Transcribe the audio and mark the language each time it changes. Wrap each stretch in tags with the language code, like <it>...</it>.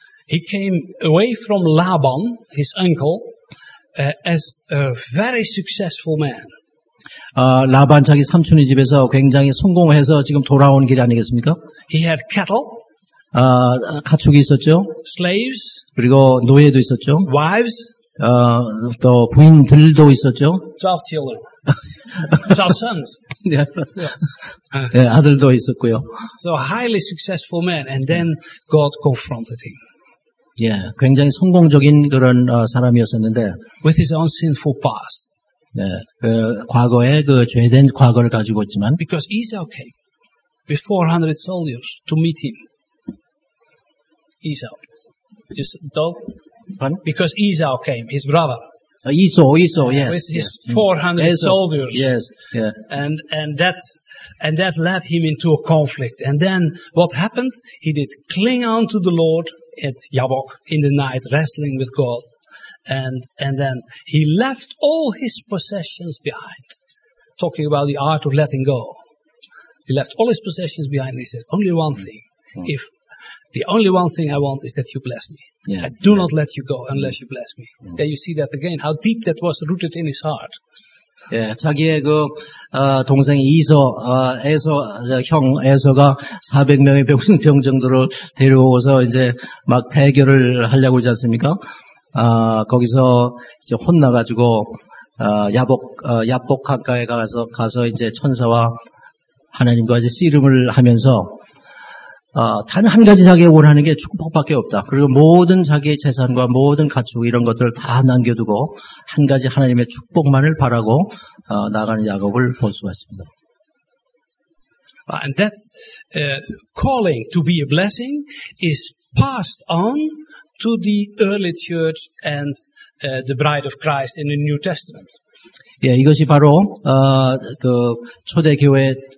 <en>He came away from Laban, his uncle, as a very successful man.</en> <ko>라반 자기 삼촌의 집에서 굉장히 성공해서 지금 돌아온 길 아니겠습니까?</ko> <en>He had cattle.</en> <ko>가축이 있었죠.</ko> <en>Slaves.</en> <ko>그리고 노예도 있었죠.</ko> <en>Wives.</en> <ko>또 부인들도 있었죠.</ko> <en>12 children. 12 sons.</en> <ko>네, 아들도 있었고요.</ko> <en>So highly successful man, and then God confronted him.</en> <ko>예, 굉장히 성공적인 그런 사람이었었는데.</ko> <en>With his own sinful past.</en> <ko>예, 과거에 그 죄된 과거를 가지고 있지만.</ko> <en>Because Esau came with 400 soldiers to meet him. Esau. Just don't. Pardon? Because Esau came, his brother. Esau, yes. With his 400 soldiers. Yes, yeah. And that led him into a conflict. And then what happened? He did cling on to the Lord at Yabok in the night, wrestling with God. And then he left all his possessions behind. talking about the art of letting go. He left all his possessions behind and he said, only one thing. Mm-hmm. If the only one thing I want is that you bless me. Yeah. I do not let you go unless you bless me. Mm-hmm. There you see that again, how deep that was rooted in his heart.</en> <ko>예, 자기의 그 동생 이소 에소 형 에소가 400명의 병 정도를 데려오고서 이제 막 대결을 하려고 하지 않습니까? 거기서 이제 혼나 가지고 야복강가에 가서 이제 천사와 하나님과 이제 씨름을 하면서 단 한 가지 자기가 원하는 게 축복밖에 없다. 그리고 모든 자기의 재산과 모든 가축 이런 것들을 다 남겨두고 한 가지 하나님의 축복만을 바라고 나가는 야곱을 볼 수가 있습니다.</ko> <en>And that calling to be a blessing is passed on to the early church and the bride of Christ in the New Testament.</en> <ko>예, 이것이 바로 그 초대교회</ko>